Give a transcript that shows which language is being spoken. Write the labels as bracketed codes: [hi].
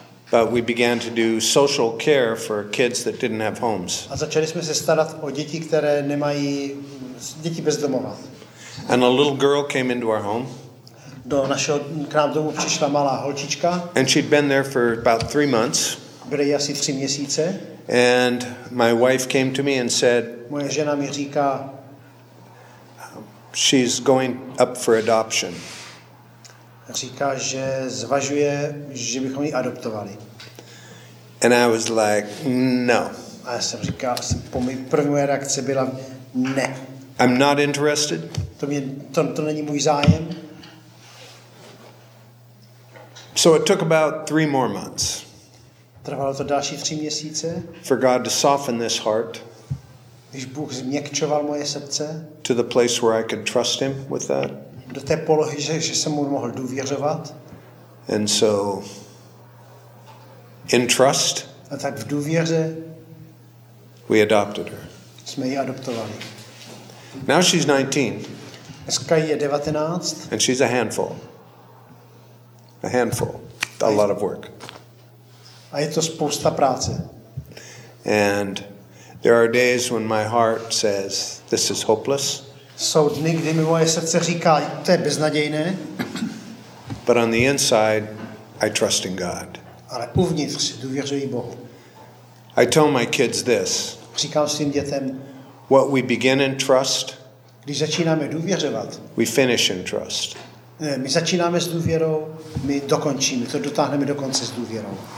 [en] But we began to do social care for kids that didn't have homes. [cs] A začali jsme se starat o děti, které nemají děti bez domova. [en] And a little girl came into our home. [cs] Do našeho k nám domů přišla malá holčička. [en] And she'd been there for about 3 months. [cs] Byly asi 3 měsíce. [en] And my wife came to me and said, [cs] moje žena mi říká, [en] she's going up for adoption. [cs] Říká, že zvažuje, že bychom ji adoptovali. [en] And I was like, no. [cs] A já jsem říkal, první moje reakce byla, ne. [en] I'm not interested. [cs] To není můj zájem. [en] So it took about 3 more months. [cs] Trvalo to další 3 měsíce. [en] For God to soften this heart. [cs] Když Bůh změkčoval moje srdce. [en] To the place where I could trust him with that. [cs] Do té polohy, že jsem mu mohl důvěřovat. [en] And so in trust. [cs] A tak v důvěře. [en] We adopted her. [cs] Jsme ji adoptovali. [en] Now she's 19. [cs] Dneska je 19. [en] And she's a handful. A handful, a lot of work. [cs] A je to spousta práce. [en] And there are days when my heart says, "This is hopeless." [cs] Jsou dny, kdy mi moje srdce říká, to je beznadějné. [en] But on the inside, I trust in God. [cs] Ale uvnitř důvěřuji Bohu. [en] I tell my kids this. [cs] Říkám svým dětem. [en] What we begin in trust. [cs] Když začínáme důvěřovat. [en] We finish in trust. [cs] My začínáme s důvěrou, my dokončíme, to dotáhneme do konce s důvěrou.